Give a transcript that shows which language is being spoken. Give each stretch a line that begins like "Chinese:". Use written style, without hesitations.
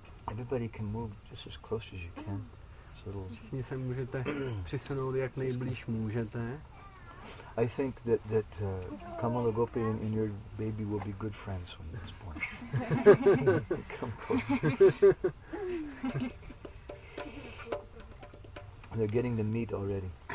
English: Everybody can move just as close as you can.
Czech: Všichni se můžete přesunout, jak nejblíž můžete.
English: I think that Kamala Gopi and your baby will be good friends from this point. Come closer. They're getting the meat already.